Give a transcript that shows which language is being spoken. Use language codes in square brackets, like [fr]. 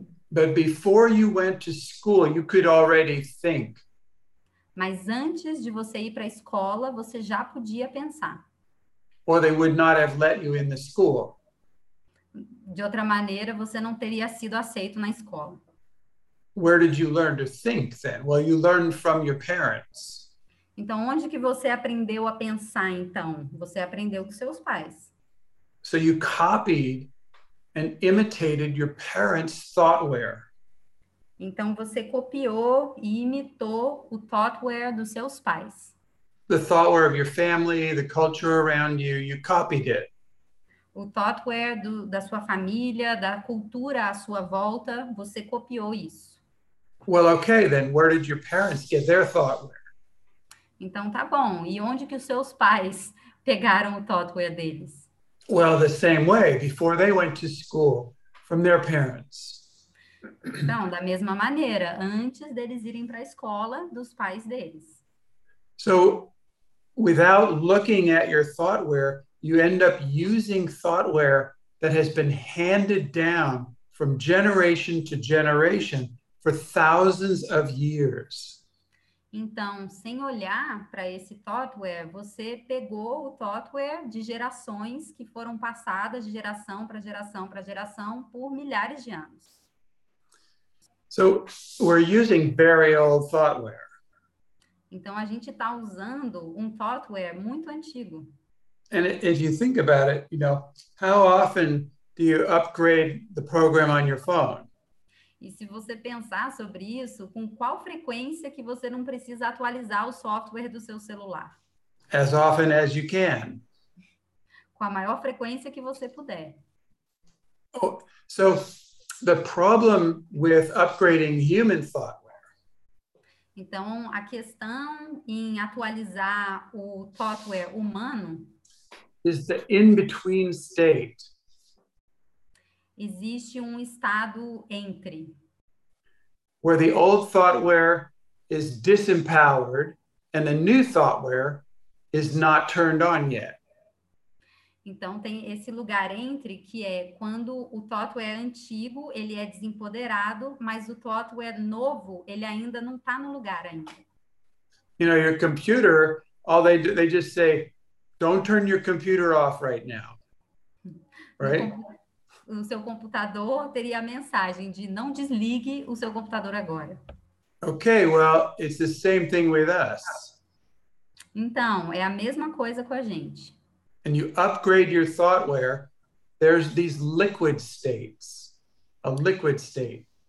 [en] But before you went to school, you could already think. [pt] Mas antes de você ir para a escola, você já podia pensar. [en] Or they would not have let you in the school. [pt] De outra maneira, você não teria sido aceito na escola. [en] Where did you learn to think then? Well, you learned from your parents. [pt] Então, onde que você aprendeu a pensar, então? Você aprendeu com seus pais. [en] So you copied and imitated your parents' thoughtware. [pt] Então, você copiou e imitou o thoughtware dos seus pais. [en] The thoughtware of your family, the culture around you, you copied it. [pt] O thoughtware da sua família, da cultura à sua volta, você copiou isso. [en] Well, okay, then, where did your parents get their thoughtware? [pt] Então, tá bom. E onde que os seus pais pegaram o thoughtware deles? [en] Well, the same way, before they went to school, from their parents. [pt] Então, da mesma maneira, antes deles irem para a escola, dos pais deles. [en] So, without looking at your thoughtware, you end up using thoughtware that has been handed down from generation to generation for thousands of years. [pt] Então, sem olhar para esse thoughtware, você pegou o thoughtware de gerações que foram passadas de geração para geração para geração por milhares de anos. [en] So, we're using very old thoughtware. [pt] Então, a gente está usando um thoughtware muito antigo. [en] And if you think about it, you know, how often do you upgrade the program on your phone? [pt] E se você pensar sobre isso, com qual frequência que você não precisa atualizar o software do seu celular? [en] As often as you can. [pt] Com a maior frequência que você puder. [en] Oh, so, the problem with upgrading human thoughtware. [pt] Então, a questão em atualizar o software humano [en] is the in-between state. [pt] Existe um estado entre. [en] where the old thoughtware is disempowered and the new thoughtware is not turned on yet. [pt] Então, tem esse lugar entre, que é quando o thoughtware é antigo, ele é desempoderado, mas o thoughtware novo, ele ainda não está no lugar ainda. [en] You know, your computer, all they do, they just say, don't turn your computer off right now. Right? [pt] O seu computador teria a mensagem de não desligue o seu computador agora. [en] Okay, well, it's the same thing with us. [pt] Então, é a mesma coisa com a gente. [en] And you upgrade your thoughtware, there's these liquid states, a liquid state.